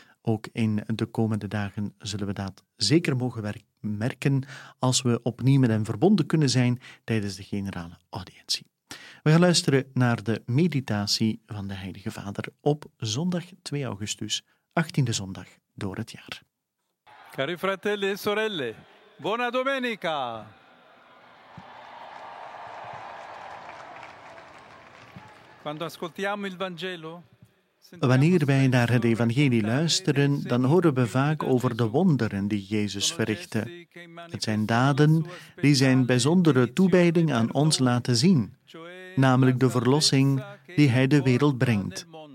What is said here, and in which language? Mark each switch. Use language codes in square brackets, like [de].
[nl] Ook in de komende dagen zullen we dat zeker mogen merken als we opnieuw met hem verbonden kunnen zijn tijdens de generale audiëntie. We gaan luisteren naar de meditatie van de Heilige Vader op zondag 2 augustus, 18e zondag door het jaar. [it] Cari fratelli e sorelle, buona domenica! Quando ascoltiamo il Vangelo. [nl] Wanneer wij naar het evangelie luisteren, dan horen we vaak over de wonderen die Jezus verrichtte. Het zijn daden die zijn bijzondere toewijding aan ons laten zien, namelijk de verlossing die Hij de wereld brengt.